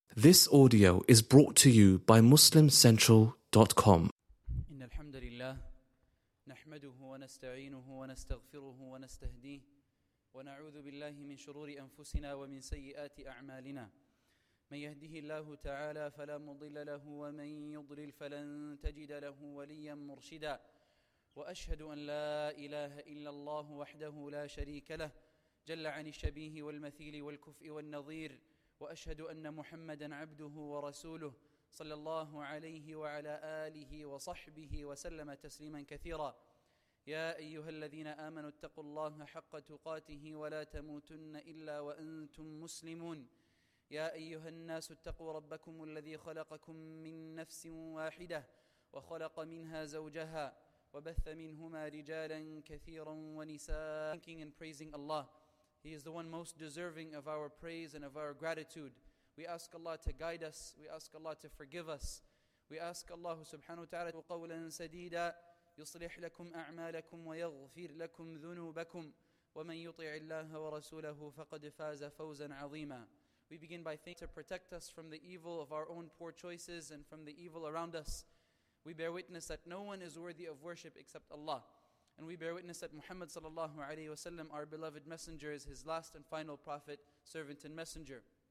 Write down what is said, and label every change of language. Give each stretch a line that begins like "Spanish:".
English: This audio is brought to you by MuslimCentral.com.
Arabic: إن الحمد لله نحمده ونستعينه ونستغفره ونستهديه ونعوذ بالله من شرور أنفسنا ومن سيئات أعمالنا من يهده الله تعالى فلا مضل له ومن يضلل فلن تجد له وليا مرشدا وأشهد أن لا إله إلا الله وحده لا شريك له جل عن الشبيه والمثيل والكفء والنظير وأشهد أن محمدًا عبده ورسوله صلى الله عليه وعلى آله وصحبه وسلم تسليمًا كثيرًا يا أيها الذين آمنوا اتقوا الله حق تقاته ولا تموتن إلا وأنتم مسلمون يا أيها الناس اتقوا ربكم الذي خلقكم من نفس واحدة وخلق منها زوجها وبث منهما رجالًا كثيرًا ونساءً
English: thanking and praising Allah. He is the one most deserving of our praise and of our gratitude. We ask Allah to guide us. We ask Allah to forgive us. We ask Allah subhanahu wa ta'ala
Arabic: قَوْلًا سَدِيدًا يُصْلِحْ لَكُمْ أَعْمَالَكُمْ وَيَغْفِرْ لَكُمْ ذُنُوبَكُمْ وَمَنْ يُطِعِ اللَّهَ وَرَسُولَهُ فَقَدْ فَازَ فَوْزًا عَظِيمًا.
English: We begin by thanking to protect us from the evil of our own poor choices and from the evil around us. We bear witness that no one is worthy of worship except Allah. And we bear witness that Muhammad sallallahu alayhi wa sallam, our beloved messenger, is his last and final prophet, servant and messenger.